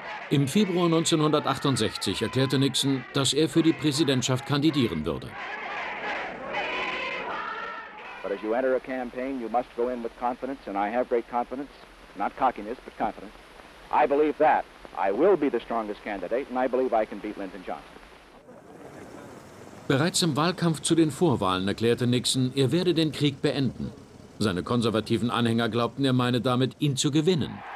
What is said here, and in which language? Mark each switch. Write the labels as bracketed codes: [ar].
[de] Im Februar 1968 erklärte Nixon, dass er für die Präsidentschaft kandidieren würde. [en] But as you enter a campaign, you must go in with confidence, and I have great confidence, not cockiness, but confidence. I believe that I will be the strongest candidate, and I believe I can beat Lyndon Johnson. [de] Bereits im Wahlkampf zu den Vorwahlen erklärte Nixon, er werde den Krieg beenden. Seine konservativen Anhänger glaubten, er meine damit, ihn zu gewinnen.